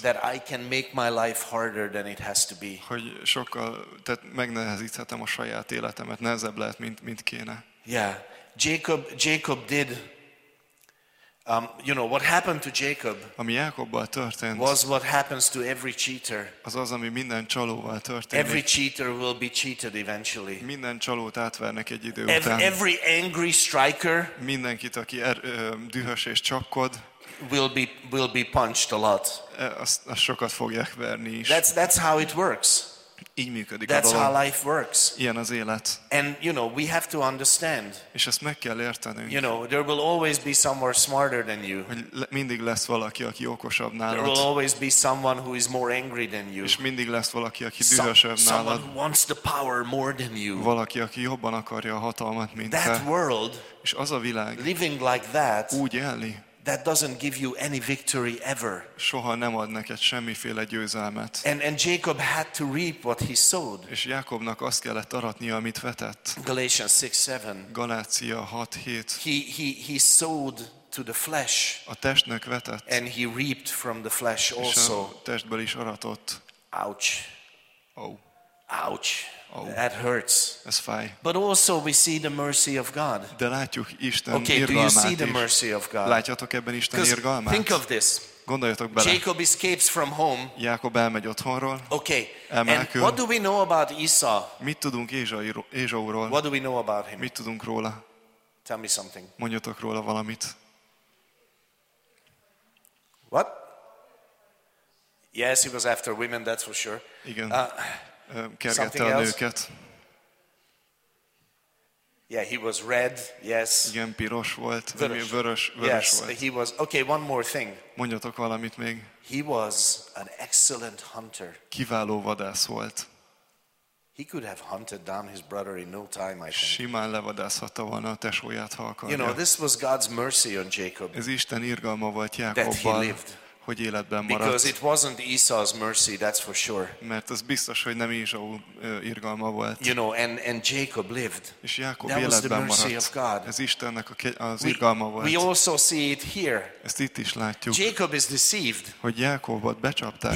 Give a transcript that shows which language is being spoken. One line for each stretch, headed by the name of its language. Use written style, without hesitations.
English: That I can make my life harder than it has to be.
Hungarian: Hogy sokkal, tehát megnehezíthetem a saját életemet, nehezebb lehet, mint kéne.
English: Yeah. Jacob did. You know what happened to Jacob?
Hungarian: Ami Jákobbal történt.
English: Was what happens to every cheater.
Hungarian: Az, ami minden csalóval történik.
English: Every cheater will be cheated eventually.
Hungarian: Minden csalót átvernek egy idő után.
English: Every angry striker.
Hungarian: Mindenkit, aki dühös és csapkod.
English: Will be punched a lot.
Hungarian: Azt sokat fogják verni is.
English: That's how it works.
Hungarian: Így működik
English: that's
Hungarian: a dolog.
English: How life works.
Hungarian: Ilyen az élet.
English: And you know, we have to understand.
Hungarian: És ezt meg kell értenünk.
English: You know, there will always be someone smarter than you.
Hungarian: Mindig lesz valaki, aki okosabb nálad.
English: There will always be someone who is more angry than you.
Hungarian: És mindig lesz valaki, aki dühösebb nálad.
English: Someone who wants the power more than you.
Hungarian: Valaki, aki jobban akarja a hatalmat, mint te.
English: That world.
Hungarian: És az a világ.
English: Living like that.
Hungarian: Úgy élni.
English: That doesn't give you any victory ever.
Hungarian: Soha nem ad neked semmiféle győzelmet.
English: And Jacob had to reap what he sowed.
Hungarian: És Jákobnak azt kellett aratnia, amit vetett.
English: Galatians 6:7.
Hungarian: Galácia 6:7.
English: He sowed to the flesh.
Hungarian: A testnek vetett.
English: And he reaped from the flesh also.
Hungarian: És a testből is aratott.
English: Ouch. Oh. Ouch. Oh. That hurts.
Hungarian: Ez fáj.
English: But also we see the mercy of God.
Hungarian: De látjuk Isten
English: okay,
Hungarian: irgalmát.
English: Okay, do you see the mercy of God?
Hungarian: Látjátok ebben Isten irgalmát?
English: Think of this.
Hungarian: Gondoljatok bele.
English: Jacob escapes from home.
Hungarian: Jákob elmegy otthonról.
English: Okay.
Hungarian: Elmenekül.
English: And what do we know about Esau?
Hungarian: Mit tudunk Ézsauról?
English: What do we know about him?
Hungarian: Mit tudunk róla?
English: Tell me something.
Hungarian: Mondjatok róla valamit.
English: What? Yes, he was after women, that's for sure.
Hungarian: Igen. Kergette a nőket.
English: Yeah, he was red. Yes.
Hungarian: Igen, piros volt. Vörös
English: yes,
Hungarian: volt.
English: Yes, he was. Okay, one more thing.
Hungarian: Mondjatok valamit még.
English: He was an excellent hunter.
Hungarian: Kiváló vadász volt.
English: He could have hunted down his brother in no time, I think.
Hungarian: Simán levadászhatta volna a tesóját, ha akarja.
English: You know, this was God's mercy on Jacob.
Hungarian: Ez Isten irgalma volt Jákobban.
English: That he lived.
Hungarian: Hogy életben maradt.
English: Because it wasn't Esau's mercy, that's for sure.
Hungarian: Mert az biztos, hogy nem Ézsau irgalma volt.
English: You know, and Jacob lived.
Hungarian: És Jákob
English: that
Hungarian: életben
English: was the mercy
Hungarian: maradt.
English: Of God.
Hungarian: Ez Istennek az irgalma volt.
English: We also see it here.
Hungarian: Ezt itt is látjuk.
English: Jacob is deceived.
Hungarian: Hogy Jákobot becsapták.